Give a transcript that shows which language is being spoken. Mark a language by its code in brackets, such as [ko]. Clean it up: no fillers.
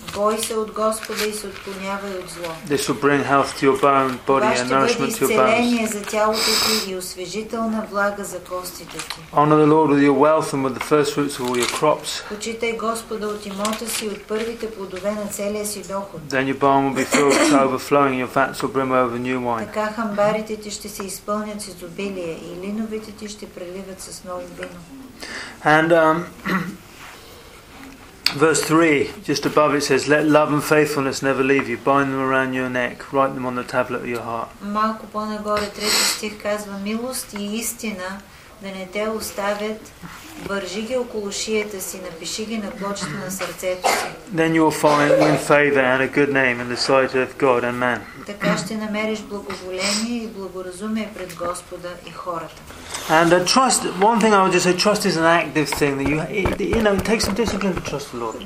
[bg] Бой се от Господа и се отклонявай от зло. [en] This will bring health to your bone, body, and nourishment to your bones. [bg] Ваше изцеление за тялото ти и освежителна влага за костите ти. [en] Honor the Lord with your wealth and with the first fruits of all your crops. [bg] Почитай Господа от имота си и от първите плодове на целия си доход. [en] Then your barn will be filled to overflowing, your fats will brim over new wine. [bg] Така хамбарите ти ще се изпълнят с изобилие и линовите ти ще преливат с ново вино. [en] And verse 3, just above it says, let love and faithfulness never leave you. Bind them around your neck. Write them on the tablet of your heart. [bg] Малко по-нагоре, третия стих казва, милост и истина да не те оставят. Вържи ги около шията си, напиши ги на плочата на сърцето си. [en] Then you will find win favor and a good name in the sight of God and man. [bg] Така ще намериш благоволение и благоразумие пред Господа и хората. [en] And trust, one thing I would just say, trust is an active thing that you know, it takes some discipline to trust the Lord.